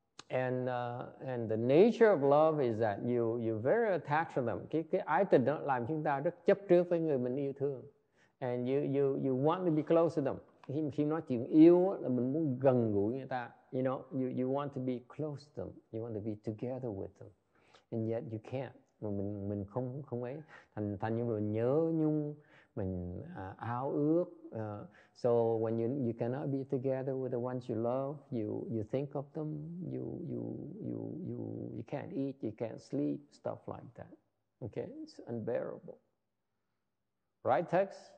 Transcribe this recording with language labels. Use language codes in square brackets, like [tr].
[en] And the nature of love is that you're very attached to them. [vi] Cái ái tình đó làm chúng ta rất chấp trước với người mình yêu thương. [en] And you want to be close to them. [vi] Khi nói chuyện yêu là mình muốn gần gũi người ta. [en] You know, you want to be close to them. You want to be together with them. And yet you can't. [vi] Mình không ấy. Thành như mình nhớ nhung, mình ao ước. [en] So when you cannot be together with the ones you love, you think of them. You can't eat, you can't sleep, stuff like that. Okay, it's unbearable. Right, Tex?